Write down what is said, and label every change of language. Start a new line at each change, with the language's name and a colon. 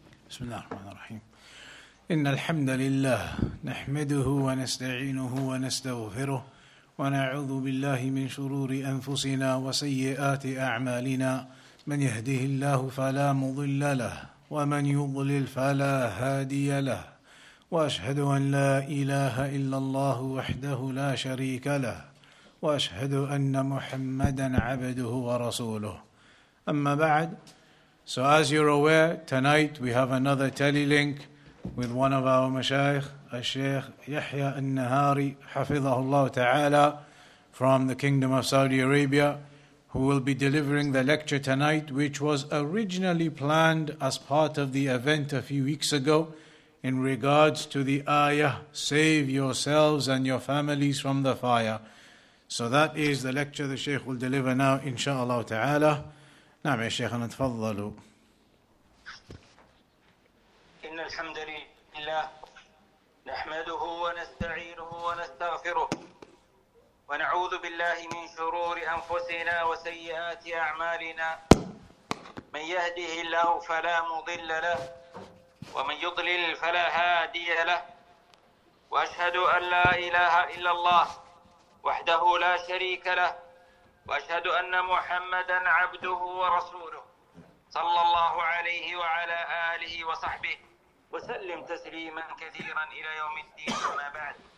Arabic: بسم الله الرحمن الرحيم إن الحمد لله نحمده ونستعينه ونستغفره ونعوذ بالله من شرور أنفسنا وسيئات أعمالنا من يهده الله فلا مضل له ومن يضلل فلا هادي له وأشهد أن لا إله إلا الله وحده لا شريك له وأشهد أن محمدا عبده ورسوله أما بعد.
English: So as you're aware, tonight we have another telelink with one of our mashayikh, Sheikh Yahya al-Nahari, hafizahullah ta'ala, from the Kingdom of Saudi Arabia, who will be delivering the lecture tonight, which was originally planned as part of the event a few weeks ago in regards to the ayah, save yourselves and your families from the fire. So that is the lecture the Sheikh will deliver now, inshaAllah ta'ala.
Arabic: نعم يا شيخنا تفضلوا. إن الحمد لله نحمده ونستعينه ونستغفره ونعوذ بالله من شرور أنفسنا وسيئات أعمالنا من يهده الله فلا مضل له ومن يضلل فلا هادي له وأشهد أن لا إله إلا الله وحده لا شريك له وأشهد أن محمدًا عبده ورسوله صلى الله عليه وعلى آله وصحبه وسلم تسليمًا كثيرًا إلى يوم الدين وما بعد